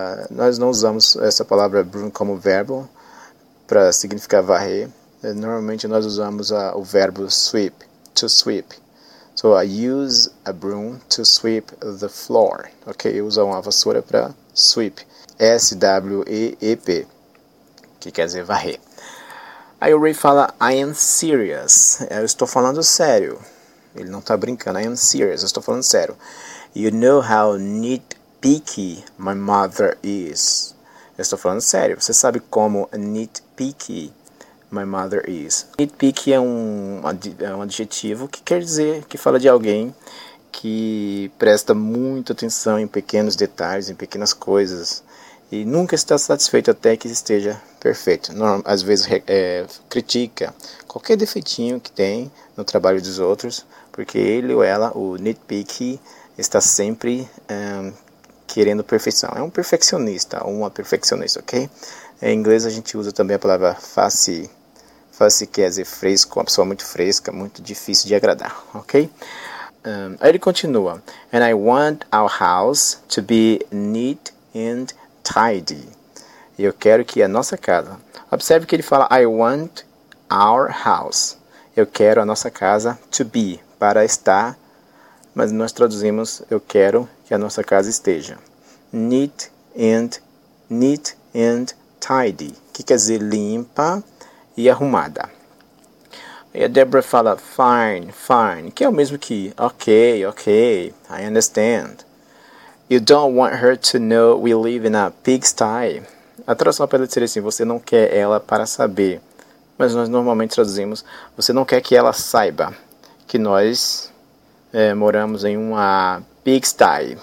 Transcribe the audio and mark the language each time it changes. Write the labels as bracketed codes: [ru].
[pt] Nós não usamos essa palavra broom como verbo para significar varrer. Normalmente nós usamos o verbo sweep, [en] to sweep. So I use a broom to sweep the floor. [pt] Ok, eu uso uma vassoura para sweep. S-W-E-E-P, que quer dizer varrer. Aí o Ray fala, [en] I am serious. [pt] Eu estou falando sério. Ele não está brincando, [en] I am serious, [pt] eu estou falando sério. [en] You know how nitpicky my mother is. [pt] Eu estou falando sério, você sabe como nitpicky [en] my mother is. [pt] Nitpicky é um adjetivo que quer dizer, que fala de alguém que presta muita atenção em pequenos detalhes, em pequenas coisas, e nunca está satisfeito até que esteja perfeito. Às vezes critica qualquer defeitinho que tem no trabalho dos outros, porque ele ou ela, o nitpicky, está sempre querendo perfeição. É um perfeccionista ou uma perfeccionista, ok? Em inglês a gente usa também a palavra fussy. Fussy quer dizer fresco, uma pessoa muito fresca, muito difícil de agradar, ok? Aí ele continua. [en] And I want our house to be neat and tidy. [pt] Eu quero que a nossa casa... Observe que ele fala [en] I want our house. [pt] Eu quero a nossa casa [en] to be, [pt] para estar, mas nós traduzimos, eu quero que a nossa casa esteja. [en] Neat and tidy, [pt] que quer dizer limpa e arrumada. E a Deborah fala, [en] fine, fine, [pt] que é o mesmo que, [en] ok, ok, I understand. You don't want her to know we live in a pigsty. [pt] A tradução pode ser assim, você não quer ela para saber, mas nós normalmente traduzimos, você não quer que ela saiba que nós moramos em uma pigsty.